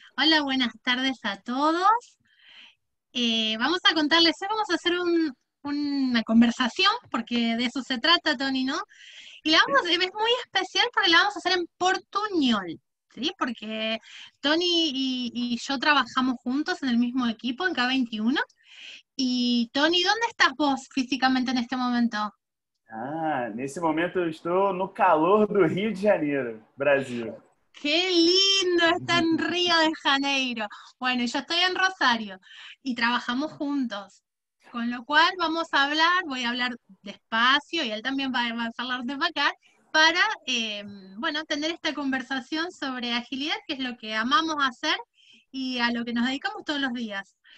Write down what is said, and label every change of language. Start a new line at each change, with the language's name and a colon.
Spanish: Hola, buenas tardes a todos. Vamos a contarles, hoy vamos a hacer una conversación, porque de eso se trata, Tony, ¿no? Y la vamos, es muy especial porque la vamos a hacer en portuñol, ¿sí? Porque Tony y yo trabajamos juntos en el mismo equipo, en K21. Y Tony, ¿dónde estás vos físicamente en este momento?
Portuguese: Ah, nesse momento eu estou no calor do Rio de Janeiro, Brasil.
Spanish: Qué lindo, está en Río de Janeiro. Bueno, yo estoy en Rosario y trabajamos juntos. Con lo cual vamos a hablar, voy a hablar despacio y él también va a hablar de bacán para, bueno, tener esta conversación sobre agilidad, que es lo que amamos hacer y a lo que nos dedicamos todos los días.